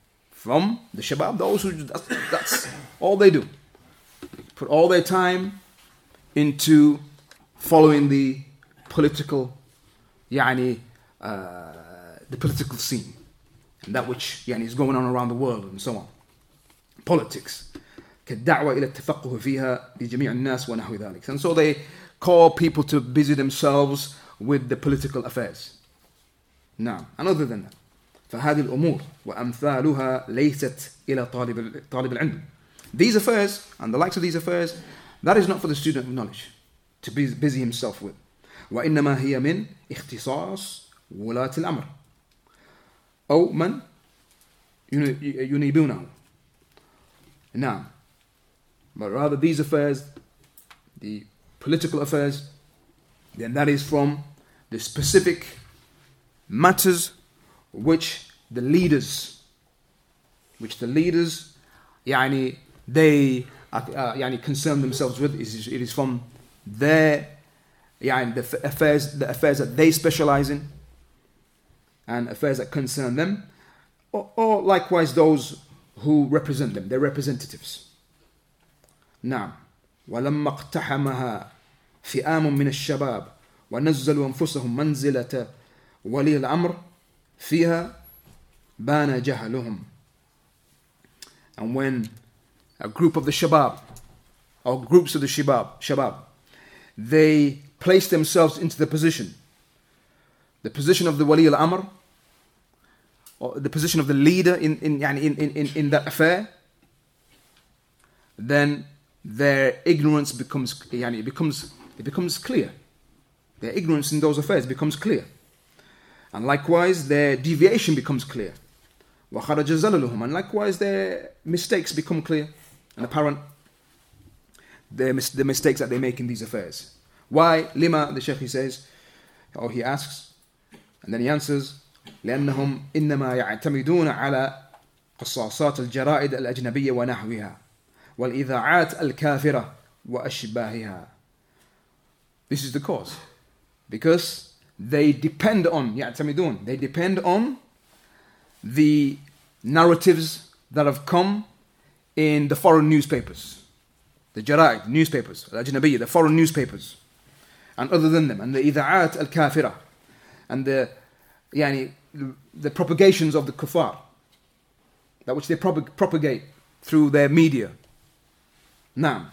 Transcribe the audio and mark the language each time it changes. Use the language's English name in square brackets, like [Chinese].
[English] From the Shabab, those who, that's all they do. Put all their time into following the political, يعني, the political scene. And that which, يعني, is going on around the world and so on. Politics. [Arabic] كالدعوة إلى التفقه فيها لجميع الناس ونحو ذلك. [English] And so they call people to busy themselves with the political affairs. نعم. And other than that. [Arabic] فهذه الأمور وأمثالها ليست إلى طالب العلم. [English] These affairs and the likes of these affairs, that is not for the student of knowledge to be busy himself with. [Arabic] وإنما هي من اختصاص ولاة الأمر أو من ينيبونه. نعم. [English] But rather these affairs, the political affairs, then that is from the specific matters which the leaders, يعني, they يعني concern themselves with, it is from their, يعني, the affairs that they specialize in, and affairs that concern them, or likewise those who represent them, their representatives. [Arabic] نعم. ولما اقتحمها فئام من الشباب ونزلوا أنفسهم منزلة ولي الأمر فيها بان جهلهم. [English] And when a group of the Shabab, or groups of the Shabab, they place themselves into the position of the Wali al-Amr, or the position of the leader in that affair, then their ignorance becomes, يعني, it becomes clear. Their ignorance in those affairs becomes clear. And likewise, their deviation becomes clear. [Arabic] وخرج زللهم. [English] And likewise, their mistakes become clear and apparent. The mistakes that they make in these affairs. Why? [Arabic] لما, [English] the Sheikh, he says, or he asks, and then he answers, [Arabic] لأنهم إنما يعتمدون على قصاصات الجرائد الأجنبية ونحوها والإذاعات الكافرة وأشباهها. [English] This is the cause. Because they depend on, يعتمدون, they depend on the narratives that have come in the foreign newspapers, the jarayid newspapers, al-ajnabiyya, the foreign newspapers, and other than them, and the idha'at al-kafira, and the, yani, the propagations of the kuffar, that which they propagate through their media. Naam.